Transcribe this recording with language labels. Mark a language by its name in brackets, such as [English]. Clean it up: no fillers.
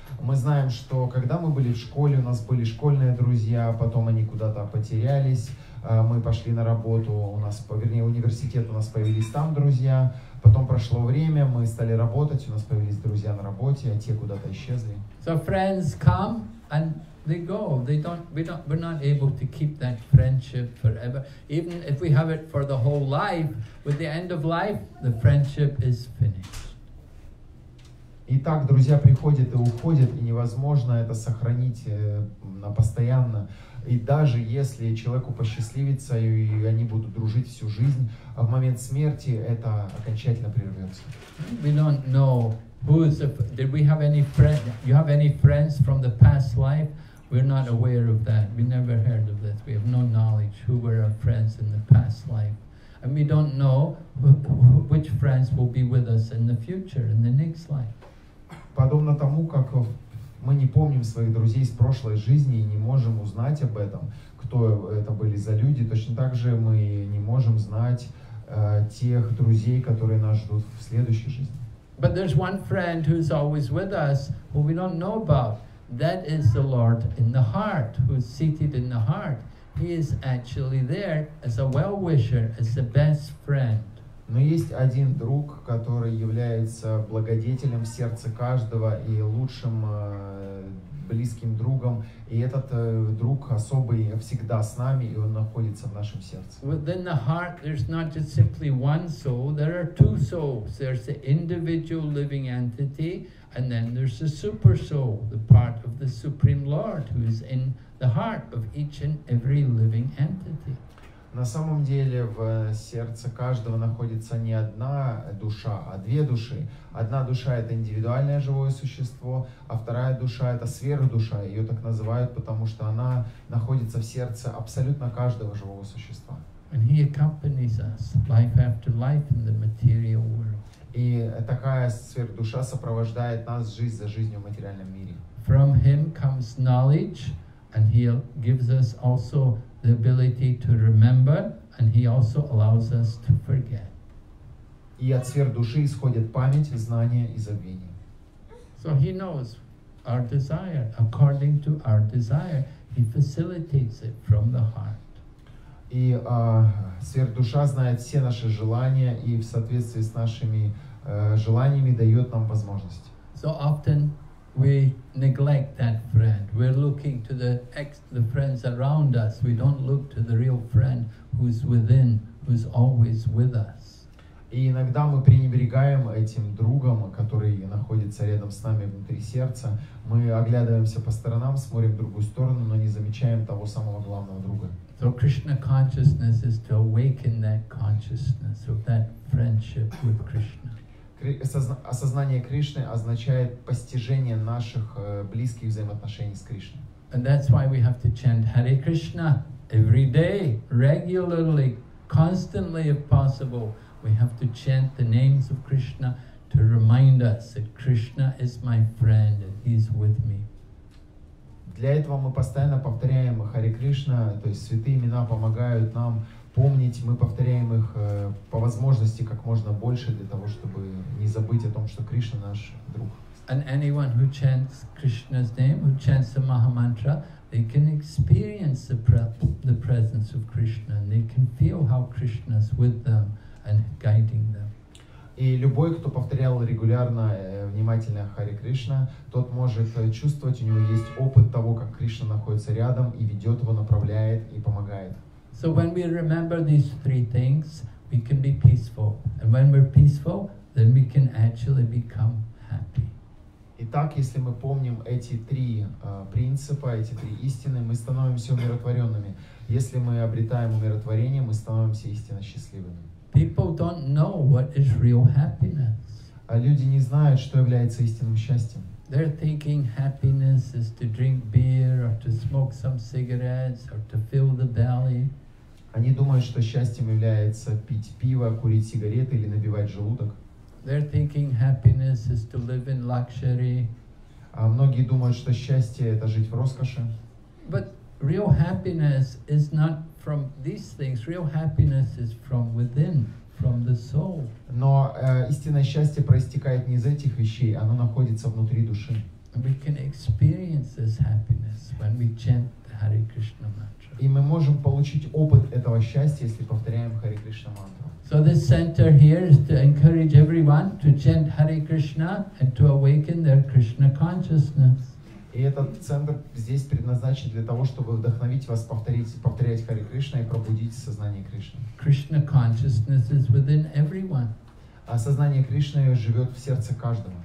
[Russian] Мы знаем, что когда мы были в школе, у нас были школьные друзья, потом они куда-то потерялись, мы пошли на работу, у нас, вернее, университет, у нас появились там друзья, потом прошло время, мы стали работать, у нас появились друзья на работе, а те куда-то исчезли. [English] So friends come and they go. We're not able to keep that friendship forever. Even if we have it for the whole life, with the end of life, the friendship is finished. [Russian] Итак, друзья приходят и уходят, и невозможно это сохранить на постоянно. И даже если человеку посчастливится, и они будут дружить всю жизнь, а в момент смерти это окончательно прервется. [English] We don't know. Did we have any friends? You have any friends from the past life? We're not aware of that. We never heard of that. We have no knowledge who were our friends in the past life. And we don't know which friends will be with us in the future, in the next life. [Russian] Подобно тому, как мы не помним своих друзей из прошлой жизни и не можем узнать об этом, кто это были за люди, точно так же мы не можем знать тех друзей, которые нас ждут в следующей жизни. [English] But there's one friend who's always with us, who we don't know about. That is the Lord in the heart, who's seated in the heart. He is actually there as a well-wisher, as the best friend. [Russian] Но есть один друг, который является благодетелем в сердце каждого и лучшим близким другом. И этот друг особый всегда с нами, и он находится в нашем сердце. [English] Within the heart, there's not just simply one soul, there are two souls. There's the individual living entity, and then there's the super soul, the part of the Supreme Lord, who is in the heart of each and every living entity. [Russian] На самом деле в сердце каждого находится не одна душа, а две души. Одна душа – это индивидуальное живое существо, а вторая душа – это сверхдуша. Ее так называют, потому что она находится в сердце абсолютно каждого живого существа. [English] And he accompanies us life after life in the material world. [Russian] И такая сверхдуша сопровождает нас жизнь за жизнью в материальном мире. [English] From him comes knowledge, and he gives us also the ability to remember, and he also allows us to forget. [Russian] И от сверхдуши исходит память, знание и забвение. [English] So he knows our desire according to our desire. He facilitates it from the heart. [Russian] И сверхдуша знает все наши желания и в соответствии с нашими желаниями дает нам возможность. [English] So often we neglect that friend. We're looking to the friends around us. We don't look to the real friend who's within, who's always with us. [Russian] И иногда мы пренебрегаем этим другом, который находится рядом с нами внутри сердца. Мы оглядываемся по сторонам, смотрим в другую сторону, но не замечаем того самого главного друга. [English] So Krishna consciousness is to awaken that consciousness of that friendship with Krishna. [Russian] Осознание Кришны означает постижение наших близких взаимоотношений с Кришной. [English] And that's why we have to chant Hare Krishna every day, regularly, constantly if possible. We have to chant the names of Krishna to remind us that Krishna is my friend and he's with me. [Russian] Для этого мы постоянно повторяем Hare Krishna, то есть святые имена помогают нам помнить, мы повторяем их по возможности как можно больше для того, чтобы не забыть о том, что Кришна наш друг. [English] And anyone who chants Krishna's name, who chants the Maha Mantra, they can experience the presence of Krishna, and they can feel how Krishna's with them and guiding them. [Russian] И любой, кто повторял регулярно, внимательно Харе Кришна, тот может чувствовать, у него есть опыт того, как Кришна находится рядом и ведет его, направляет и помогает. [English] So when we remember these three things, we can be peaceful. And when we're peaceful, then we can actually become happy. [Russian] Итак, если мы помним эти три принципа, эти три истины, мы становимся умиротворенными. Если мы обретаем умиротворение, мы становимся истинно счастливыми. [English] People don't know what is real happiness. [Russian] А люди не знают, что является истинным счастьем. [English] They're thinking happiness is to drink beer or to smoke some cigarettes or to fill the belly. [Russian] Они думают, что счастьем является пить пиво, курить сигареты или набивать желудок. [English] They're thinking happiness is to live in luxury. [Russian] А многие думают, что счастье это жить в роскоши. [English] But real happiness is not from these things. Real happiness is from within, from the soul. [Russian] Но истинное счастье проистекает не из этих вещей, оно находится внутри души. [English] We can experience this happiness when we chant the Hare Krishna mantra. [Russian] И мы можем получить опыт этого счастья, если повторяем Hare Krishna mantra. [English] So this center here is to encourage everyone to chant Hare Krishna and to awaken their Krishna consciousness. [Russian] И этот центр здесь предназначен для того, чтобы вдохновить вас повторять Харе Кришна и пробудить сознание Кришны. [English] Krishna consciousness is within everyone. [Russian] А сознание Кришны живет в сердце каждого.